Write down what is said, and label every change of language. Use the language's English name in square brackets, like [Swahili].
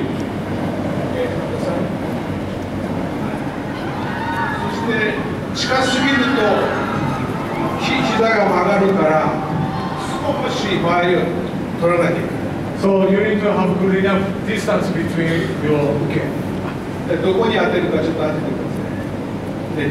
[Japanese] そして近すぎると膝が曲がるから少し場合を取らなきゃいけない。 [English] So you need to have good enough distance between your okay. [Japanese] どこに当てるかちょっと当ててください。